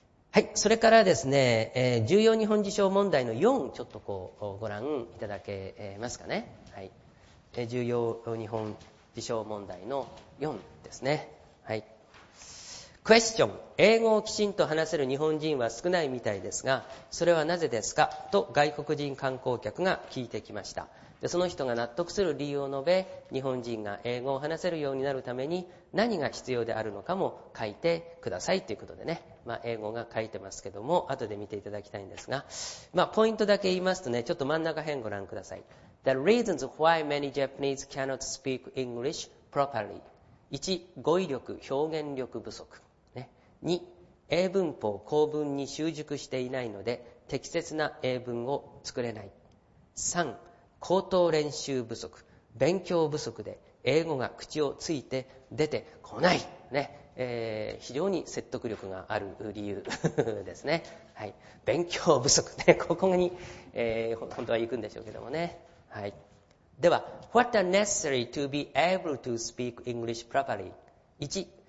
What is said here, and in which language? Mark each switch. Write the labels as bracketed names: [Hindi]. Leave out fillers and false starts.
[Japanese] はい、それからですね、重要日本事象問題の4ちょっとこうご覧いただけますかね、はい、重要日本事象問題の4ですね、はい、クエスチョン、英語をきちんと話せる日本人は少ないみたいですがそれはなぜですかと外国人観光客が聞いてきました。でその人が納得する理由を述べ日本人が英語を話せるようになるために何が必要であるのかも書いてくださいということでね、まあ、英語が書いてますけども後で見ていただきたいんですが、まあ、ポイントだけ言いますとねちょっと真ん中辺ご覧ください。 [English] The reasons why many Japanese cannot speak English properly 1. [Japanese] 語彙力表現力不足、ね、2. 英文法構文に習熟していないので適切な英文を作れない。 3. 口頭練習不足勉強不足で英語が口をついて出てこない、ね、非常に説得力がある理由ですね、はい、勉強不足、ね、ここに、本当は行くんでしょうけどもね、はい、では [English] What are necessary to be able to speak English properly? [Japanese] 1.